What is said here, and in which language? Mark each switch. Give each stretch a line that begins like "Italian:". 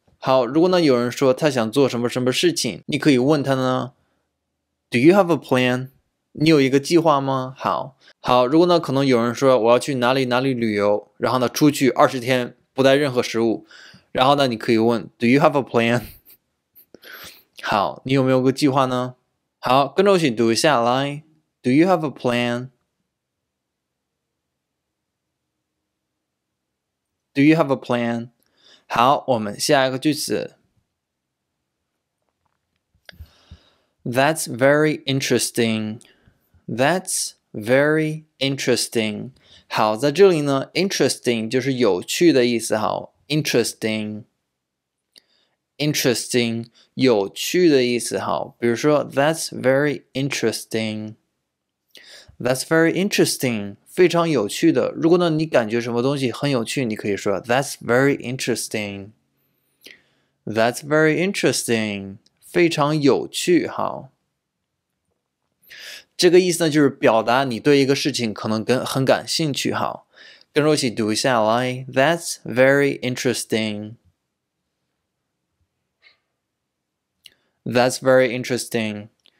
Chinese: 好，如果呢有人说他想做什么什么事情，你可以问他呢 ，
English: Do you have a plan？
Chinese: 你有一个计划吗？好，好，如果呢可能有人说我要去哪里哪里旅游，然后呢出去20天不带任何食物，然后呢你可以问 ，
English: Do you have a plan？
Chinese: 好，你有没有个计划呢？好，跟着我一起读一下来
English: ，Do you have a plan？Do you have a plan？
Chinese: 好，我们下一个句子。
English: That's very interesting. That's very interesting.
Chinese: 好，在这里呢 ，interesting 就是有趣的意思。好 ，interesting 有趣的意思。好，比如说
English: ，That's very interesting. That's very interesting.
Chinese: 非常有趣的。如果呢，你感觉什么东西很有趣，你可以说
English: "That's very interesting." That's very interesting.
Chinese: 非常有趣。好，这个意思呢，就是表达你对一个事情可能很感兴趣。好，跟着我一起读一下来。
English: That's very interesting. That's very interesting.